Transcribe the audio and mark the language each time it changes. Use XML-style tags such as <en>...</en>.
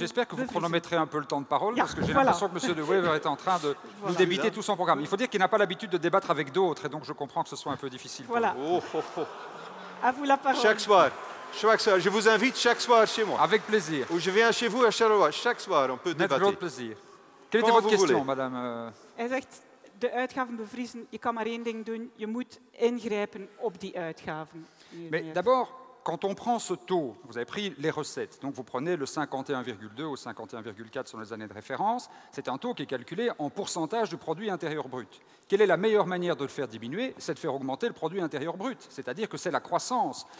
<fr>J'espère que vous chronométrez un peu le temps de parole, parce que j'ai l'impression que monsieur de Wever est en train de nous débiter tout son programme. Il faut dire qu'il n'a pas l'habitude de débattre avec d'autres, et donc je comprends que ce soit un peu difficile. Voilà. À vous la parole. Chaque soir. Je vous invite chaque soir chez moi. Avec plaisir. Ou je viens chez vous à Charleroi. Chaque soir, on peut débattre. Avec grand plaisir. Quelle était votre question, madame?</fr> <nl>Hij zegt, de uitgaven bevriezen, je kan maar één ding doen. Je moet ingrijpen op die uitgaven.</nl> <fr>Mais d'abord, quand on prend ce taux, vous avez pris les recettes. Donc vous prenez le 51,2 ou 51,4 sur les années de référence. C'est un taux qui est calculé en pourcentage du produit intérieur brut. Quelle est la meilleure manière de le faire diminuer? C'est de faire augmenter le produit intérieur brut. C'est-à-dire que c'est la croissance.</fr>